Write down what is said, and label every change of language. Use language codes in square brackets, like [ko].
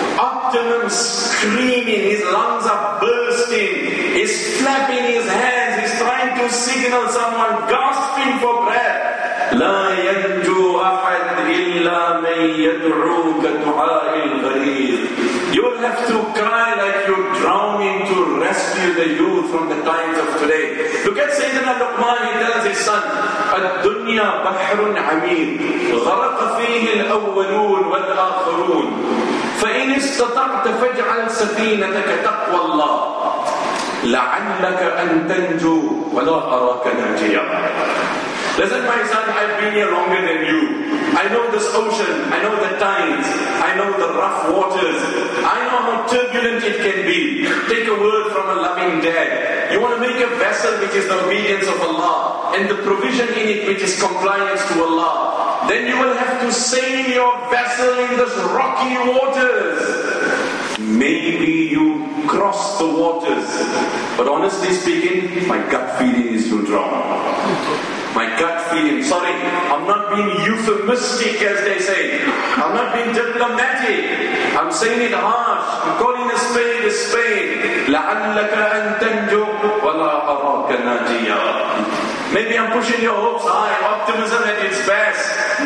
[en] Optimum screaming, his lungs are bursting, he's flapping his hands, he's trying to signal someone, gasping for breath. [ar] La yanju ahad illa man yad'uka du'a'il ghareeb. [en] You'll have to cry like you're drowning to rescue the youth from the times of today. Look at Sayyidina Luqman, he tells his son, [ar] الدُّنْيَا بَحْرٌ عَمِيدٌ غَرَقَ فِيهِ الْأَوَّلُونَ وَالْآخَرُونَ فَإِنْ اسْتَطَعْتَ فَاجْعَلْ سَفِينَتَكَ تَقْوَى اللَّهِ لَعَلَّكَ أَنْ تَنْجُو وَلَا أَرَاكَ نَاجِيًا. [en] Listen, my son, I've been here longer than you. I know this ocean, I know the tides, I know the rough waters, I know how turbulent it can be. Take a word from a loving dad. You want to make a vessel which is the obedience of Allah, and the provision in it which is compliance to Allah. Then you will have to sail your vessel in those rocky waters. Maybe you cross the waters, but honestly speaking, my gut feeling is you drown. My gut feeling, sorry, I'm not being euphemistic as they say. I'm not being diplomatic. I'm saying it harsh. I'm calling a spade a spade. [ar] لعلك أن تنجو ولا أراك ناجيا. [en] Maybe I'm pushing your hopes high, optimism at its best.